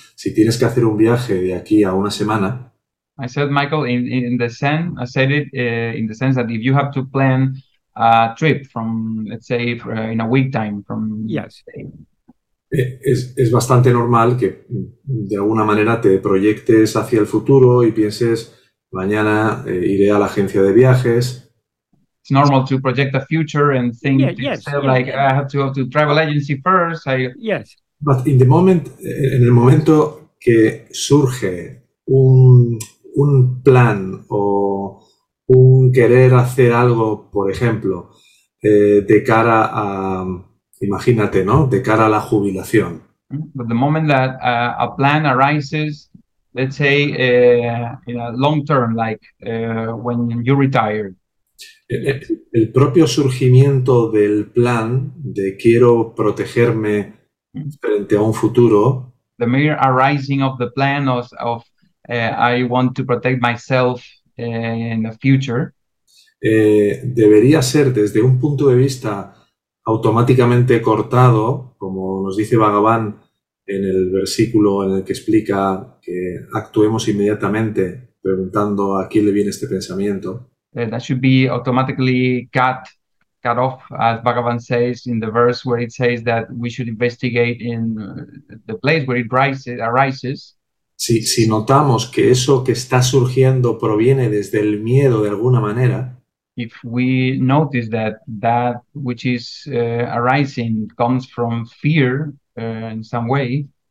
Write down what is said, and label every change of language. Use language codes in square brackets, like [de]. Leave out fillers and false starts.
[es] Si tienes que hacer un viaje de aquí a una semana. [en] I said, Michael, in the sense that if you have to plan a trip from, let's say, in a week time from. Yes. [es] Es bastante normal que de alguna manera te proyectes hacia el futuro y pienses mañana iré a la agencia de viajes. [en] It's normal to project a future and think I have to go to travel agency first. But in the moment, [es] en el momento que surge un plan o un querer hacer algo, por ejemplo, de cara a imagínate, ¿no? De cara a la jubilación. [en] But the moment that a plan arises, let's say in a long term, like when you retire. [es] El propio surgimiento del plan de quiero protegerme frente a un futuro. [en] The mere arising of the plan of I want to protect myself in the future. [es] Debería ser desde un punto de vista automáticamente cortado, como nos dice Bhagavan en el versículo en el que explica que actuemos inmediatamente preguntando a quién le viene este pensamiento. [en] That should be automatically cut off, as Bhagavan says in the verse where it says that we should investigate in the place where it arises. [es] Si notamos que eso que está surgiendo proviene desde el miedo de alguna manera. [en] If we notice that which is arising comes from fear in some way.